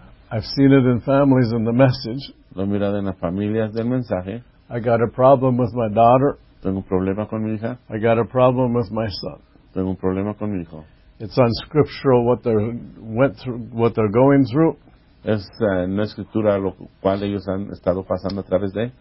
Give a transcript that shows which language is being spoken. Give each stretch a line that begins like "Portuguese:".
English: I've seen it in families in the message.
Spanish: Lo he mirado en las familias del mensaje.
English: I got a problem with my daughter.
Spanish: Tengo un problema con mi hija.
English: I got a problem with my son.
Spanish: Tengo un problema con mi hijo.
English: It's unscriptural what they went through, what they're going through.
Spanish: Es no escritura lo cual ellos han estado pasando a través de.